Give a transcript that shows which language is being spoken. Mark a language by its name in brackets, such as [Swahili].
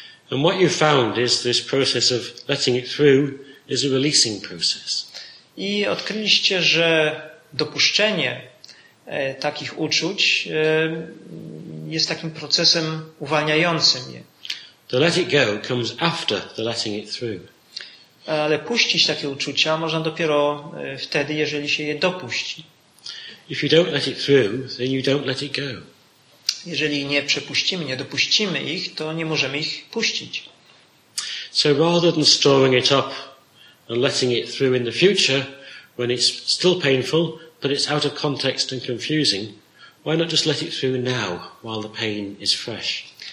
[English] And what you found is this process of letting it through is a releasing process. [Polish] I odkryliście, że dopuszczenie takich uczuć jest takim procesem uwalniającym je. [English] To let it go comes after the letting it through. [Polish] Ale puścić takie uczucia można dopiero wtedy, jeżeli się je dopuści. [English] If you don't let it through, then you don't let it go. [Polish] Jeżeli nie przepuścimy, nie dopuścimy ich, to nie możemy ich puścić. [English] So rather than storing it up and letting it through in the future, when it's still painful, but it's out of context and confusing, why not just let it through now, while the pain is fresh?